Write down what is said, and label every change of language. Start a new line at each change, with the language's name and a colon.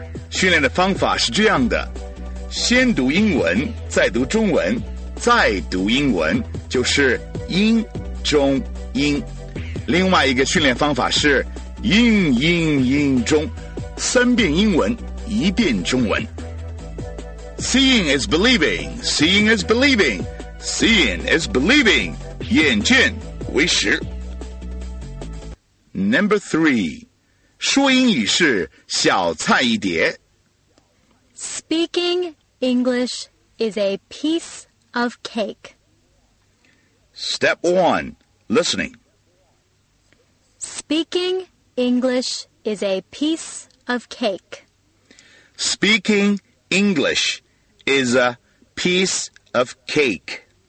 Chinese: 训练的方法是这样的，先读英文，再读中文，再读英文，就是英中英。另外一个训练方法是英英英中，三遍英文，一遍中文。
English: Seeing is believing, seeing is believing, seeing is believing,
Chinese: 眼见为实。
English: Number three,
Chinese: 说英语是小菜一碟。
English: Speaking English is a piece of cake. Step one, listening. Speaking English is a piece of cake. Speaking English is a piece of cake.